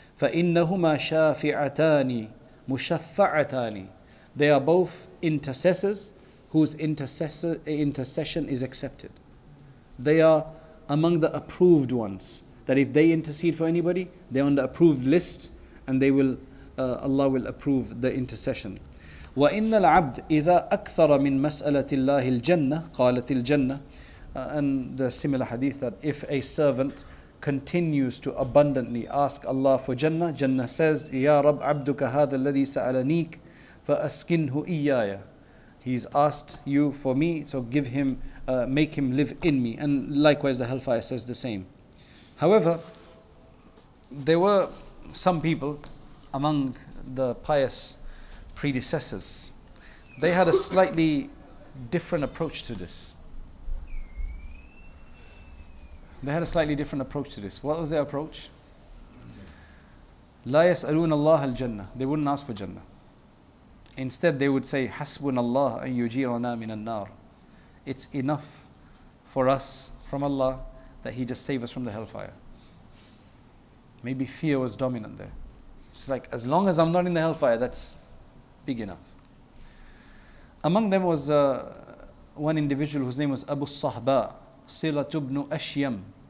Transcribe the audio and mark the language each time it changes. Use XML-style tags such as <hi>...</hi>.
<ar>فَإِنَّهُمَا شَافِعَتَانِ مُشَفَّعَتَانِ.</ar> <en>They are both intercessors whose intercession is accepted. They are among the approved ones. That if they intercede for anybody, they're on the approved list, and they will, Allah will approve the intercession.</en> <ar>وَإِنَّ الْعَبْدِ إِذَا أَكْثَرَ مِنْ مَسْأَلَةِ اللَّهِ الْجَنَّةِ قَالَتِ الْجَنَّةِ.</ar> <en>And the similar hadith that if a servant continues to abundantly ask Allah for Jannah. Jannah says,</en> <ar>Ya Rab abduka hadha alladhi sa'alaniik fa askinhu iyaya.</ar> <en>He's asked you for me, so give him, make him live in me. And likewise, the Hellfire says the same. However, there were some people among the pious predecessors. They had a slightly different approach to this. What was their approach?</en> <ar>لا يسألون الله الجنة.</ar> <en>They wouldn't ask for Jannah. Instead, they would say,</en> <ar>حَسْبُنَ اللَّهُ أَن يُجِيرَنَا مِنَ النَّارِ.</ar> <en>It's enough for us from Allah that He just save us from the hellfire. Maybe fear was dominant there. It's like, as long as I'm not in the hellfire, that's big enough. Among them was one individual whose name was Abu Sahba, Silatu ibn Ashyam.</en>